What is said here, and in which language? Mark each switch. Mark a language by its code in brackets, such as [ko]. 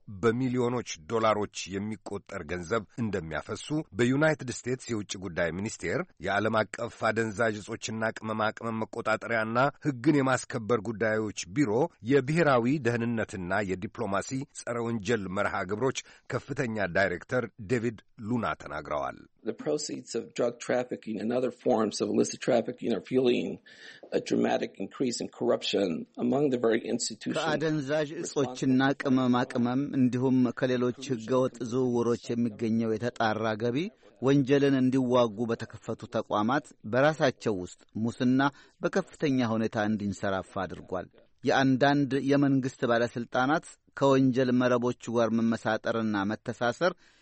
[am] በሚሊዮኖች ዶላሮች የሚቆጠር ገንዘብ እንደሚያፈሱ በዩናይትድ ስቴትስ የውጭ ጉዳይ ሚኒስቴር የዓለም አቀፍ አደንዛዥ እጾችና ቅመማ ቅመም መቆጣጠሪያና ሕግን የማስከበር ጉዳዮች ቢሮ የብሔራዊ ደህንነትና የዲፕሎማሲ ጸረ ወንጀል መርሃ ግብሮች ከፍተኛ ዳይሬክተር ዴቪድ ሉና ተናግረዋል። [en] The proceeds of drug trafficking and other forms of illicit trafficking are fueling a dramatic increase in corruption among the very institutions. [am] ከአደንዛዥ እጾችና ቅመማ ቅመም እንዲሁም ከሌሎች ሕገወጥ ዝውውሮች የሚገኘው የተጣራ ገቢ ወንጀልን እንዲዋጉ በተከፈቱ ተቋማት በራሳቸው ውስጥ ሙስና በከፍተኛ ሁኔታ እንዲንሰራፋ አድርጓል። የአንዳንድ የመንግስት ባለስልጣናት ከወንጀል መረቦች ጋር መመሳጠርና መተሳሰር